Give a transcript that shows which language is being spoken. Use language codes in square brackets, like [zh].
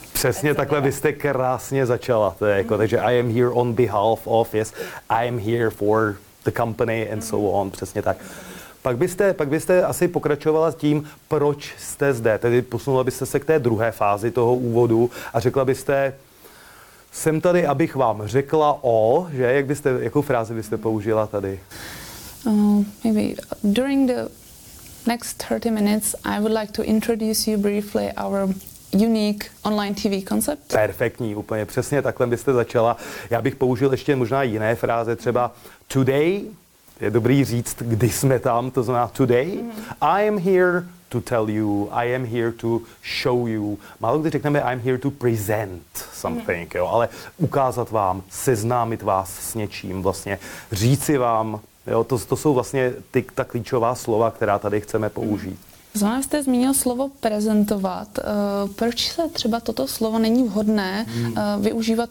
[cs] přesně takhle byste krásně začala. To je jako, takže [en] I am here on behalf of, yes, I am here for the company and so on. [cs] Přesně tak. Pak byste asi pokračovala tím, proč jste zde. Tedy posunula byste se k té druhé fázi toho úvodu a řekla byste, jsem tady, abych vám řekla o, že? Jakou frázi byste použila tady? [en] Maybe during the next 30 minutes, I would like to introduce you briefly our unique online TV concept. [cs] Perfektní, úplně přesně takhle byste začala. Já bych použil ještě možná jiné fráze, třeba today. Je dobrý říct, kdy jsme tam, to znamená today. [en] I am here to tell you, I am here to show you. [cs] Málo kdy řekneme [en] I am here to present something, [cs] jo, ale ukázat vám, seznámit vás s něčím, vlastně říci vám, jo, to jsou vlastně ta klíčová slova, která tady chceme použít. Zrovna jste zmínil slovo prezentovat. Proč se třeba toto slovo není vhodné využívat?